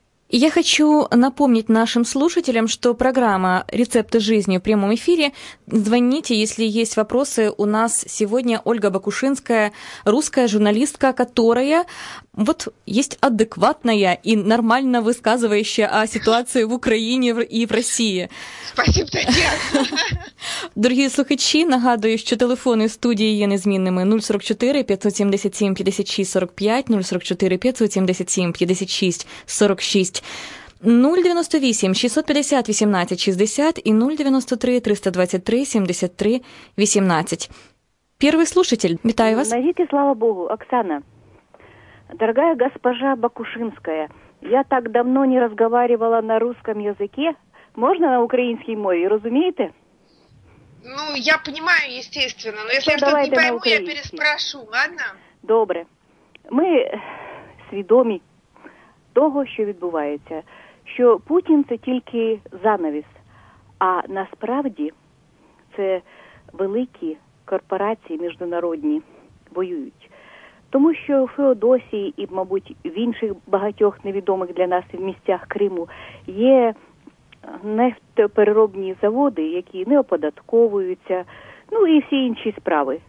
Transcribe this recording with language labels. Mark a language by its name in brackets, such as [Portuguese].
[Russian] Я хочу напомнить нашим слушателям, что программа «Рецепты жизни» в прямом эфире. Звоните, если есть вопросы. У нас сегодня Ольга Бакушинская, русская журналистка, которая вот есть адекватная и нормально высказывающая о ситуации в Украине и в России. Спасибо, Татьяна. [Ukrainian] Дорогі слухачі, нагадую, що телефони студії є незмінними 044-577-5645, 044-577-5646, 098-650-1860 і 093-323-7318. Перший слушатель, вітаю вас. Назвіть, слава Богу, Оксана. [Russian] Дорогая госпожа Бакушинская, я так давно не разговаривала на русском языке. [Ukrainian] Можна на українській мові, розумієте? [Russian] Ну, я понимаю, естественно, но если что, я что-то не пойму, я переспрошу, ладно? [Ukrainian] Добре. Ми свідомі того, що відбувається, що Путін – це тільки занавіс, а насправді це великі корпорації міжнародні воюють. Тому що у Феодосії і, мабуть, в інших багатьох невідомих для нас в місцях Криму є нефтопереробні заводи, які не оподатковуються, ну і всі інші справи.